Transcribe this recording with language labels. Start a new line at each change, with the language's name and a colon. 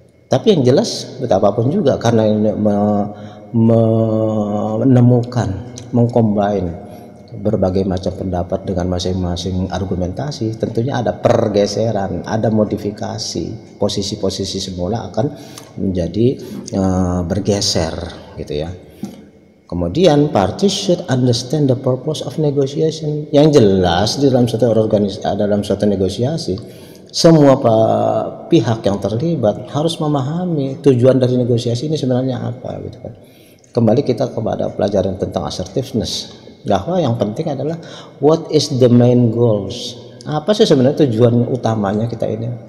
Indonesian: Tapi yang jelas betapapun juga karena ini menemukan, mengcombine berbagai macam pendapat dengan masing-masing argumentasi, tentunya ada pergeseran, ada modifikasi, posisi-posisi semula akan menjadi bergeser gitu ya.
English: Kemudian parties should understand the purpose of negotiation.
Indonesian: Yang jelas di dalam suatu negosiasi semua pihak yang terlibat harus memahami tujuan dari negosiasi ini sebenarnya apa gitu kan. Kembali kita kepada pelajaran tentang assertiveness, bahwa yang penting adalah
English: what is the main goals,
Indonesian: apa sih sebenarnya tujuan utamanya kita ini.